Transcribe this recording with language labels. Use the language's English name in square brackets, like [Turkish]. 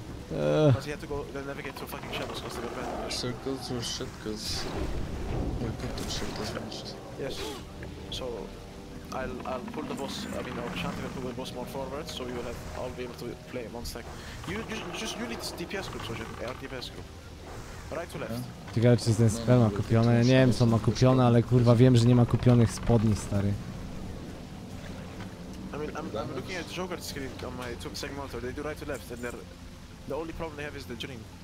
[English] Because he had to go, then navigate through fucking shadows because they were bad. Circles were shit because we put the shit as much. Yes. So, I'll pull the boss, I mean our enchanting will pull the boss more forward, so you will have, I'll be able to play in 1 sec. You need DPS group, Sojin, RDPS group. Right to left. [Polish] Ciekawe, czy ten spell ma kupione, nie wiem co ma kupione, ale kurwa wiem, że nie ma kupionych spodni, stary. [English] I mean, I'm looking at Joker screen on my second monitor, they do right to left, and they're... The only problem they have is the dream.